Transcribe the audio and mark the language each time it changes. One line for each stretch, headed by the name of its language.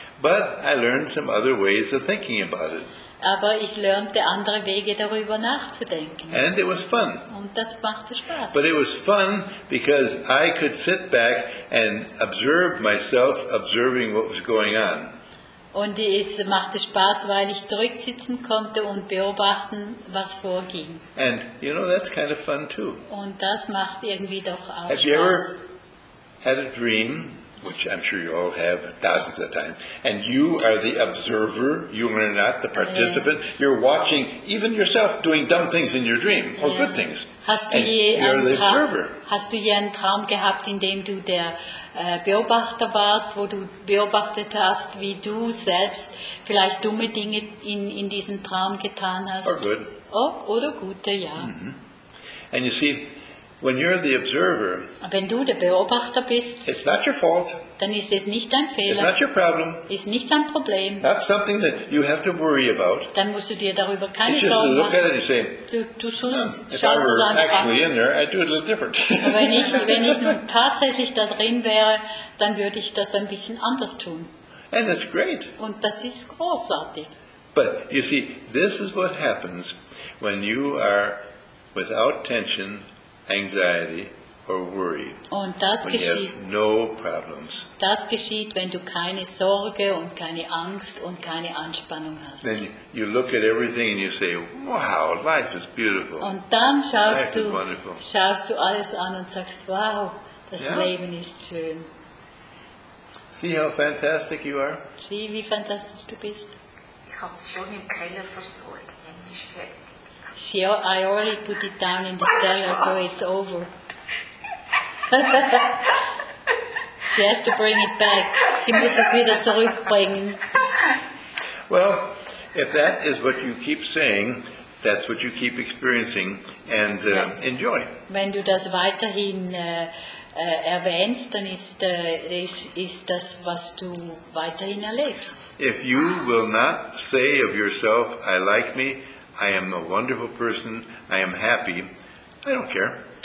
English: But I learned some other ways of thinking about it.
German: Aber ich lernte andere Wege darüber nachzudenken.
English: And it was fun.
German: Und das machte Spaß.
English: But it was fun because I could sit back and observe myself observing what was going on.
German: Und es machte Spaß, weil ich zurücksitzen konnte und beobachten, was vorging.
English: And you know, that's kind of fun too.
German: Und das macht irgendwie doch auch
English: Have you ever had a dream? Which I'm sure you all have thousands of times. And you are the observer, you are not the participant. You're watching even yourself doing dumb things in your dream, or good things.
German: Hast du je einen Traum? Hast du je einen Traum gehabt, in dem du der Beobachter warst, wo du beobachtet hast, wie du selbst vielleicht dumme Dinge in diesem Traum getan hast?
English: Or good.
German: Oder gute, ja.
English: Mm-hmm. And you see, when you're the observer,
German: wenn du der Beobachter bist,
English: it's not your fault.
German: Dann ist es nicht dein Fehler.
English: It's not your problem.
German: Ist nicht dein Problem.
English: Not something that you have to worry about.
German: Dann musst du dir darüber keine Sorgen
English: look
German: machen.
English: At it and say,
German: du schaust es an.
English: If I were actually in there, I'd do it a little different.
German: wenn ich nun tatsächlich da drin wäre, dann würde ich das ein bisschen anders tun.
English: And it's great.
German: Und das ist großartig.
English: But you see, this is what happens when you are without tension, anxiety or worry.
German: Und das
English: when
German: geschieht,
English: you have no problems.
German: Das geschieht, wenn du keine Sorge und keine Angst und keine Anspannung hast.
English: Then you look at everything and you say, "Wow, life is beautiful."
German: Und dann schaust du alles an und sagst, "Wow, das Leben ist schön."
English: See how fantastic you are.
German: Sieh, wie fantastisch du bist. Ich habe es schon im Keller versorgt. Jetzt ist fertig.
English: I already put it down in the cellar, so it's over. She has to bring it back.
German: Sie muss es wieder zurückbringen.
English: Well, if that is what you keep saying, that's what you keep experiencing, and enjoy.
German: Wenn du das weiterhin erwähnst, dann ist das, was du weiterhin erlebst.
English: If you will not say of yourself, "I like me, I am a wonderful person, I am happy," I don't care.